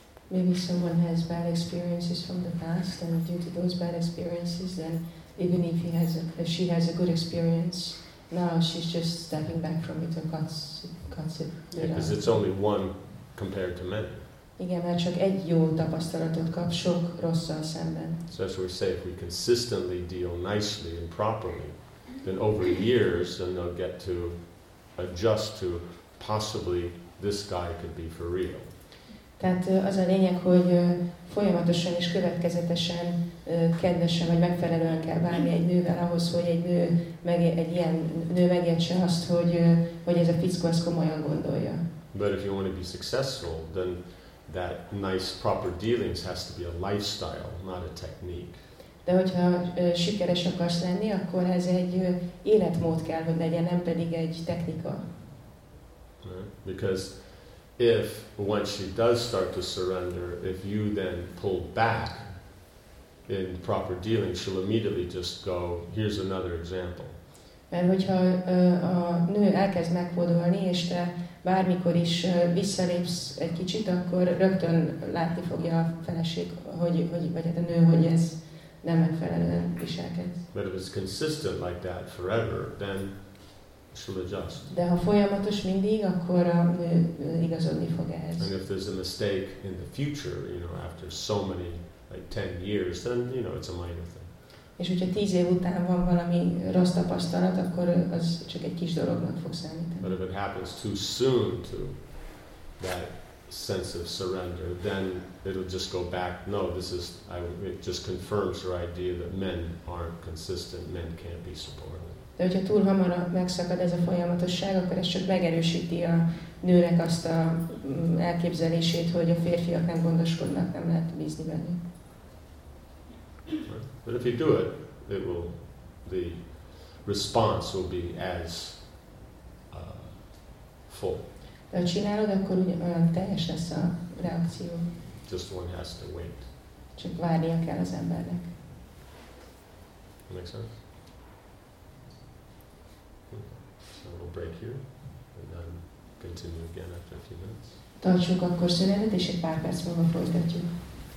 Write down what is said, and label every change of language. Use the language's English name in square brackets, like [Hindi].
[English] maybe someone has bad experiences from the past, and due to those bad experiences, then even if he has if she has a good experience, now she's just stepping back from it and cuts it. Because it's only one compared to many. [Hungarian] Igen, mert csak egy jó tapasztalatot kap sok rosszal szemben. [English] So as we say, if we consistently deal nicely and properly, then over years, then they'll get to adjust to. Possibly this guy could be for real. [Hungarian] Tehát az a lényeg, hogy folyamatosan és következetesen, kedvesen vagy megfelelően kell bánni egy nővel ahhoz, hogy egy ilyen nő megértse azt, hogy ez a fickó ezt komolyan gondolja. [English] But if you want to be successful, then that nice proper dealings has to be a lifestyle, not a technique. [Hungarian] De hogyha sikeres akarsz lenni, akkor ez egy életmód kell, hogy legyen, nem pedig egy technika. [English] Because if once she does start to surrender, if you then pull back in proper dealing, she'll immediately just go, here's another example. [Hungarian] Mert hogyha a nő elkezd megfordulni, és te bármikor is visszalépsz egy kicsit, akkor rögtön látni fogja a feleség, hogy ez nem megfelelően viselkedsz. [English] But if it's consistent like that forever, then she'll adjust. [Hungarian] De ha folyamatos mindig, akkor a nő igazodni fog ehhez. [English] And if there's a mistake in the future, you know, after so many, like 10 years, then, you know, it's a minor thing. [Hungarian] És hogyha 10 év után van valami rossz tapasztalat, akkor az csak egy kis dolognak fog számítani. [English] But if it happens too soon to that sense of surrender, then it'll just go back. No, it just confirms her idea that men aren't consistent, men can't be supported. [Hungarian] De hogyha túl hamar megszakad ez a folyamatosság, akkor ez csak megerősíti a nőnek azt a elképzelését, hogy a férfiak nem gondoskodnak, nem lehet bízni bennük. [English] But if you do it, the response will be as full. [Hungarian] De ha csinálod, akkor olyan teljes lesz a reakció. [English] Just one has to wait. [Hungarian] Csak várnia kell az embernek. [English] Make sense? Break here, and then continue again after a few minutes. [Hungarian] Tartsunk akkor szünetet, és egy pár perc múlva folytatjuk.